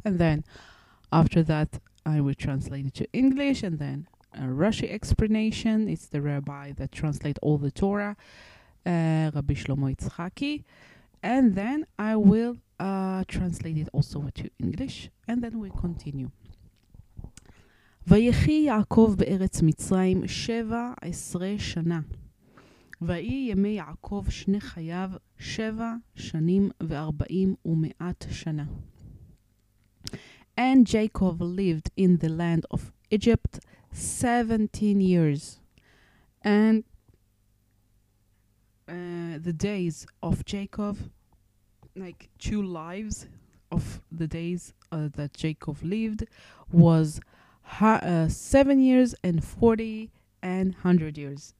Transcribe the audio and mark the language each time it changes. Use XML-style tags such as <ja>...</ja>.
<en>And then after that, I will translate it to English. And then a Rashi explanation. It's the rabbi that translates all the Torah, Rabbi Shlomo Yitzchaki. And then I will translate it also to English. And then we continue.</en> <he>ויחי יעקב בארץ מצרים 17 שנה. ויהי ימי יעקב שני חייו 7 שנים ו-40 ומאת שנה.</he> <en>And Jacob lived in the land of Egypt 17 years. And the days of Jacob, like 2 lives of the days that Jacob lived, was 7 years and 40 and 100 years.</en>